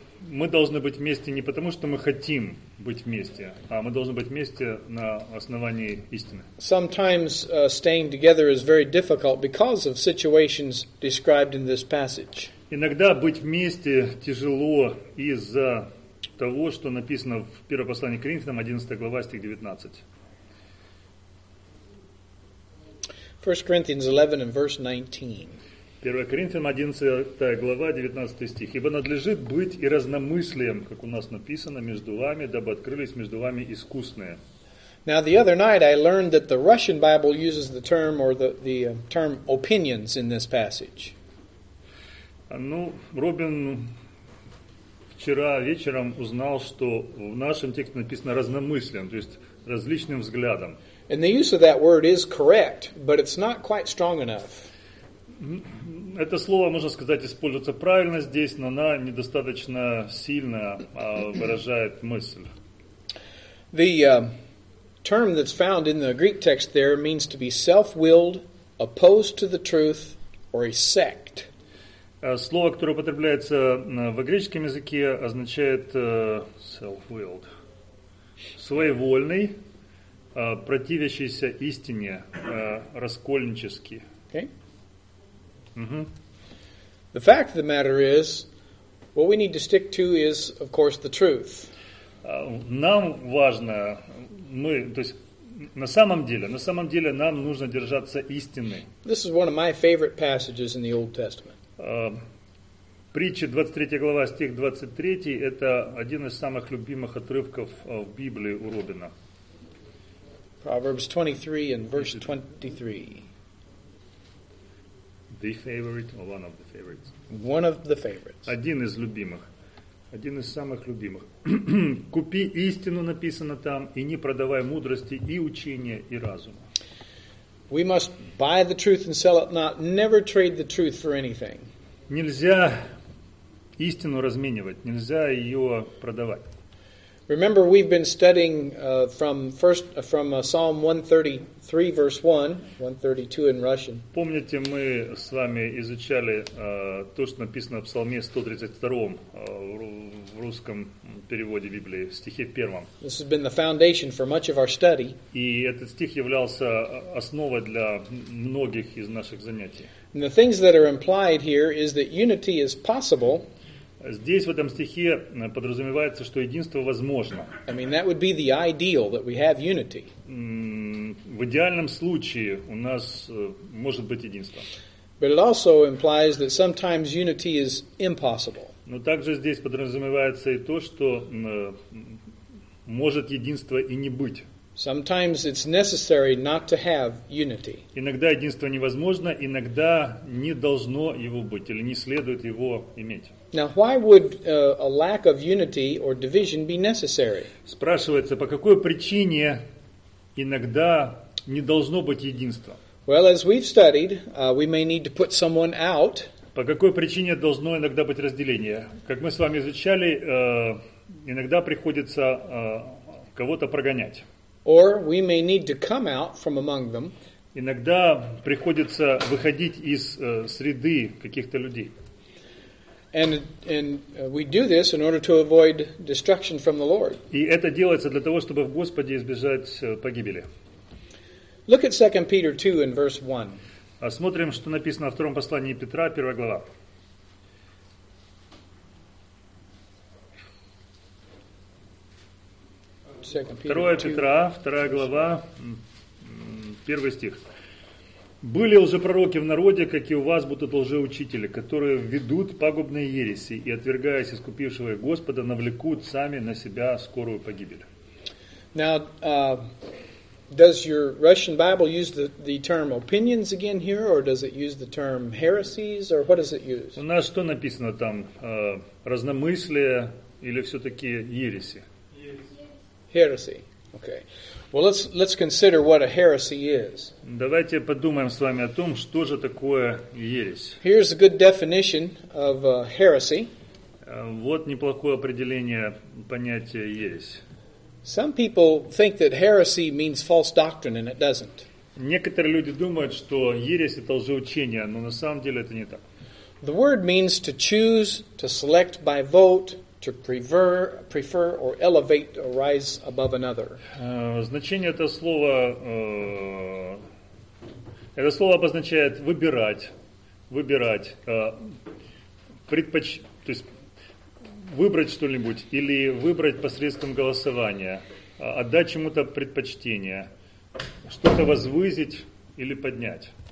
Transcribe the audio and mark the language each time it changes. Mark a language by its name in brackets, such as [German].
[Russian] Мы должны быть вместе не потому, что мы хотим быть вместе, а мы должны быть вместе на основании истины. [English] Sometimes staying together is very difficult because of situations described in this passage. [Russian] Иногда быть вместе тяжело из-за того, что написано в первом послании к Коринфянам, 11 глава, стих 19. [English] 1 Corinthians 11 and verse 19. [Russian] 1 Коринфянам 11 глава, 19 стих. Ибо надлежит быть и разномыслием, как у нас написано, между вами, дабы открылись между вами искусные. [English] Now the other night I learned that the Russian Bible uses the term or the term opinions in this passage. [Russian] Ну, Робин вчера вечером узнал, что в нашем тексте написано разномыслием, то есть различным взглядом. [English] And the use of that word is correct, but it's not quite strong enough. [Russian] Это слово, можно сказать, используется правильно здесь, но оно недостаточно сильно выражает мысль. [English] The term that's found in the Greek text there means to be self-willed, opposed to the truth, or a sect. [Russian] Слово, которое употребляется в греческом языке, означает self-willed. Своевольный. Противящийся истине, раскольнически. [English] Okay. Mm-hmm. The fact of the matter is, what we need to stick to is, of course, the truth. [Russian] Нам важно, мы, то есть, на самом деле нам нужно держаться истины. [English] This is one of my favorite passages in the Old Testament. [Russian] Притчи, 23 глава, стих 23, это один из самых любимых отрывков в Библии у Робина. [English] Proverbs 23 and verse 23. The favorite or one of the favorites? One of the favorites. [Russian] Один из любимых. Один из самых любимых. Купи истину, написано там, и не продавай мудрости и учения и разума. [English] We must buy the truth and sell it not. Never trade the truth for anything. [Russian] Нельзя истину разменивать, нельзя ее продавать. [English] Remember, we've been studying from Psalm 133, verse 1, 132 in Russian. [Russian] Помните, мы с вами изучали то, что написано в Псалме 132 в русском переводе Библии, в стихе первом. [English] This has been the foundation for much of our study. [Russian] И этот стих являлся основой для многих из наших занятий. [English] And the things that are implied here is that unity is possible. [Russian] Здесь, в этом стихе, подразумевается, что единство возможно. [English] I mean, that would be the ideal, that we have unity. [Russian] В идеальном случае у нас может быть единство. [English] But it also implies that sometimes unity is impossible. [Russian] Но также здесь подразумевается и то, что может единство и не быть. [English] Sometimes it's necessary not to have unity. [Russian] Иногда единство невозможно, иногда не должно его быть, или не следует его иметь. [English] Now, why would a lack of unity or division be necessary? [Russian] Спрашивается, по какой причине иногда не должно быть единства? [English] Well, as we've studied, we may need to put someone out. [Russian] По какой причине должно иногда быть разделение? Как мы с вами изучали, иногда приходится кого-то прогонять. [English] Or we may need to come out from among them. [Russian] Иногда приходится выходить из среды каких-то людей. [English] And we do this in order to avoid destruction from the Lord. [Russian] И это делается для того, чтобы в Господе избежать погибели. [English] Look at 2 Peter 2 in verse 1. [Russian] Смотрим, что написано во втором послании Петра, первая глава. Второе Петра, вторая глава, первый стих. «Были лжепророки в народе, как и у вас будут лжеучители, которые ведут пагубные ереси и, отвергаясь искупившего их Господа, навлекут сами на себя скорую погибель». [English] Now, does your Russian Bible use the term opinions again here, or does it use the term heresies, or what does it use? [Russian] У нас что написано там, разномыслие или все-таки ереси? [English] Heresy. Okay. Well, let's consider what a heresy is. [Russian] Давайте подумаем с вами о том, что же такое ересь. [English] Here's a good definition of a heresy. [Russian] Вот неплохое определение понятия ересь. [English] Some people think that heresy means false doctrine, and it doesn't. [Russian] Некоторые люди думают, что ересь это лжеучение, но на самом деле это не так. [English] The word means to choose, to select by vote, to prefer or elevate or rise above another. [Russian] Значение этого слова, это слово обозначает то есть выбрать что-нибудь или выбрать посредством голосования, отдать чему-то предпочтение, что-то возвысить или поднять.